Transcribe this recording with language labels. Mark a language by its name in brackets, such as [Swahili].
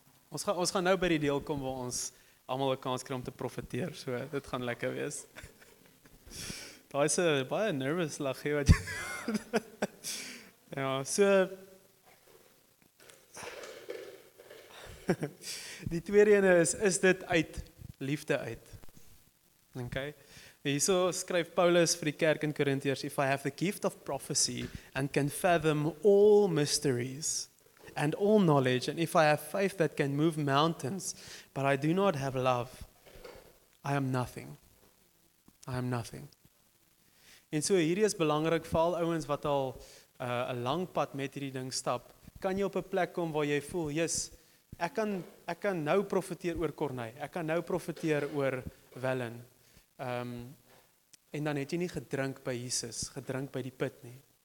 [Afrikaans] Ons gaan nou by die deel kom, waar ons allemaal een kans kry om te profiteer, so dit gaan lekker wees. Daar is een baie nervous lag, he, wat ja, so die tweede ene is dit uit liefde uit. Okay. Hierso skryf Paulus vir die kerk in Korintiërs, [English] if I have the gift of prophecy and can fathom all mysteries and all knowledge, and if I have faith that can move mountains, but I do not have love, I am nothing. I am nothing. [Afrikaans] En so hierdie is belangrik vir al ouens wat al 'n lang pad met hierdie ding stap. Kan jy op 'n plek kom waar jy voel, yes, ek kan nou profeteer oor Kornei, ek kan nou profeteer oor Wellen, en dan het jy nie gedrink by Jesus, gedrink by die put nie.